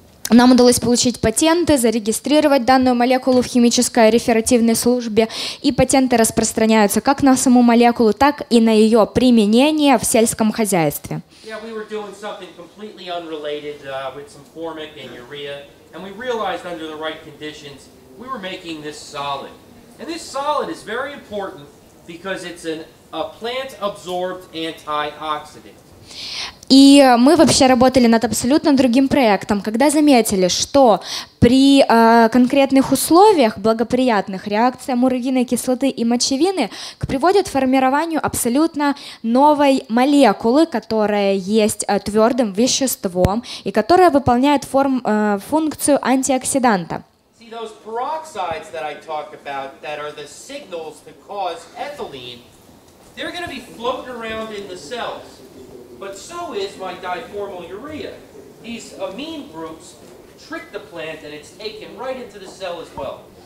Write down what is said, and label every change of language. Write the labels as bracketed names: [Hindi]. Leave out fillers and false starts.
[Russian] Нам удалось получить патенты, зарегистрировать данную молекулу в химической реферативной службе, и патенты распространяются как на саму молекулу, так и на ее применение в сельском хозяйстве. [English] Yeah, we were doing something completely unrelated with some formic and urea, and we realized under the right conditions we were making this solid. And this solid is very important because it's a plant-absorbed antioxidant. [Russian] И мы вообще работали над абсолютно другим проектом, когда заметили, что при конкретных условиях благоприятных реакция муравьиной кислоты и мочевины приводит к формированию абсолютно новой молекулы, которая есть твердым веществом и которая выполняет функцию антиоксиданта. [English] See those peroxides that I talked about that are the signals to cause ethylene, they're going to be floating around in the cells. But so is my diformyl urea. These amine groups trick the plant and it's taken right into the cell as well.